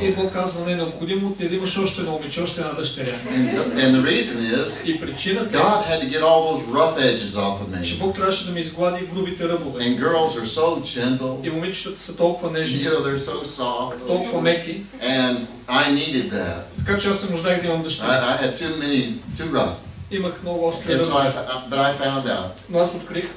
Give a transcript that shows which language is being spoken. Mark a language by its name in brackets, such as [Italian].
[Bulgarian] И Бог казва, не, необходимо ти е да имаш още едно момиче, още една дъщеря. [English] And the reason is, God had to get all those rough edges off of me. [Bulgarian] Че Бог трябваше да ми изглади грубите ръбове. [English] And girls are so gentle. [Bulgarian] И момичетата са толкова нежни. [English] You know, they're so soft. [Bulgarian] Толкова меки. [English] And I needed that. [Bulgarian] Така че аз се нуждаех да имам дъщеря. [English] I had too rough. [Bulgarian] Имах много остри ръбове. [English] But I found out. [Bulgarian] Но аз открих.